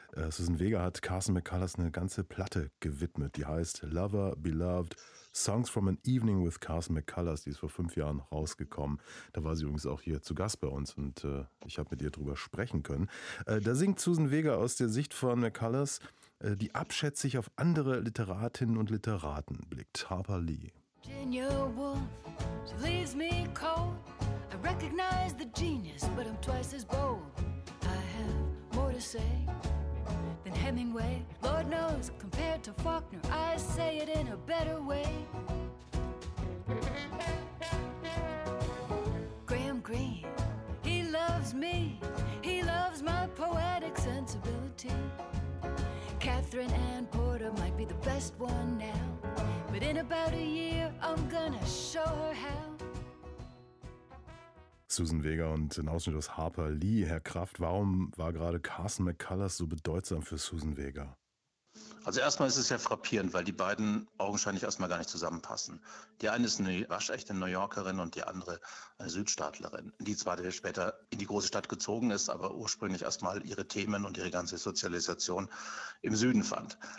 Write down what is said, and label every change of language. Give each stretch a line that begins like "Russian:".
German: Susan Vega hat Carson McCullers eine ganze Platte gewidmet, die heißt Lover, Beloved, Songs from an Evening with Carson McCullers, die ist vor 5 Jahren rausgekommen. Da war sie übrigens auch hier zu Gast bei uns und ich habe mit ihr drüber sprechen können. Da singt Susan Vega aus der Sicht von McCullers, die abschätzig auf andere Literatinnen und Literaten blickt. Harper Lee.
English: Virginia Woolf, she leaves me cold. I recognize the genius, but I'm twice as bold. I have more to say than Hemingway. Lord knows, compared to Faulkner, I say it in a better way. Graham Greene, he loves me. He loves my poetic sensibility. Catherine Ann Porter might be the best one now, but in about a year I'm gonna show her how.
German: Susan Vega und ein Ausschnitt aus Harper Lee. Herr Kraft, warum war gerade Carson McCullers so bedeutsam für Susan Vega? Also erstmal ist es ja frappierend, weil die beiden augenscheinlich erstmal gar nicht zusammenpassen. Die eine ist eine waschechte New Yorkerin und die andere eine Südstaatlerin, die zwar später in die große Stadt gezogen ist, aber ursprünglich erstmal ihre Themen und ihre ganze Sozialisation im Süden fand.